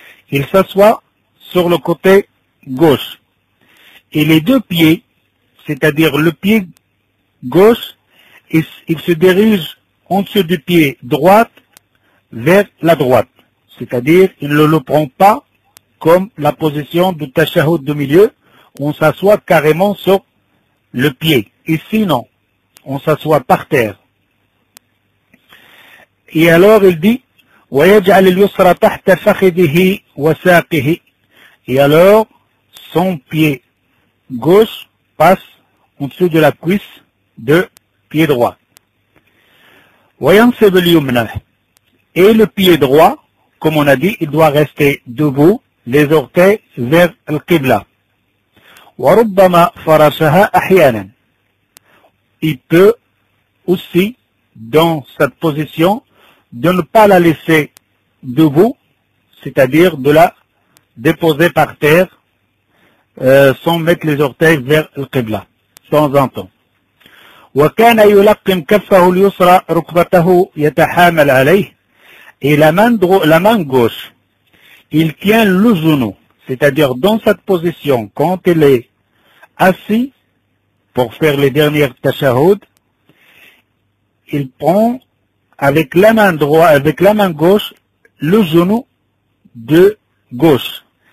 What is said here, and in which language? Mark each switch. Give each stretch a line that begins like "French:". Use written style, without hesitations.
French: Il s'assoit sur le côté gauche. Et les deux pieds, c'est-à-dire le pied gauche, il se dirige en dessous du pied droit vers la droite. C'est-à-dire, il ne le prend pas comme la position du tashahhud de milieu. On s'assoit carrément sur le pied. Ici, non. On s'assoit par terre. Et alors, il dit,
Arabic: وَيَجْعَلْ الْيُسْرَ تَحْتَ فَخِذِهِ وَسَاقِهِ.
French: Et alors, son pied gauche passe en dessous de la cuisse de pied droit. Voyons ce volume-là. Et le pied droit, comme on a dit, il doit rester debout, les orteils vers le Qibla.
Arabic: وربما فرشها احيانا.
French: Il peut aussi, dans cette position, de ne pas la laisser debout, c'est-à-dire de la déposer par terre, sans mettre les orteils vers le Qibla, sans un temps.
Arabic: وكان يلقم كفه اليسرى ركبته يتحامل عليه الى مندغو
French: la main gauche. Il tient le genou, c'est-à-dire dans cette position, quand il est assis pour faire les dernières tashahoud, il prend avec la main droite, avec la main gauche, le genou de gauche.